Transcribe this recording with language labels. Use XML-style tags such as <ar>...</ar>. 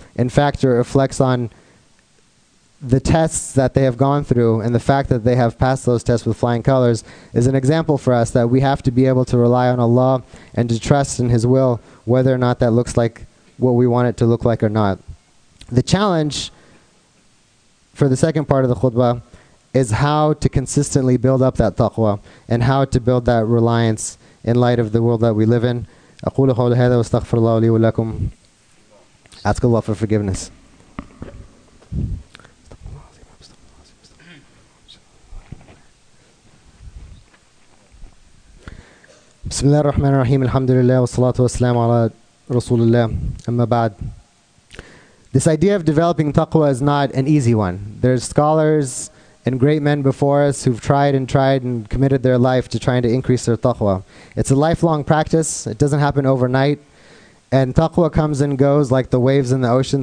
<en>In fact, it reflects on the tests that they have gone through, and the fact that they have passed those tests with flying colors is an example for us that we have to be able to rely on Allah and to trust in His will, whether or not that looks like what we want it to look like or not. The challenge for the second part of the khutbah is how to consistently build up that taqwa and how to build that reliance in light of the world that we live in.</en> <ar>أقول قول هذا واستغفر الله لي ولكم.</ar> <en>Ask Allah for forgiveness.</en> <ar>بسم الله الرحمن الرحيم الحمد لله والصلاة والسلام على رسول الله أما بعد.</ar> <en>This idea of developing taqwa is not an easy one. There's scholars and great men before us who've tried and committed their life to trying to increase their taqwa. It's a lifelong practice. It doesn't happen overnight. And taqwa comes and goes like the waves in the ocean.</en>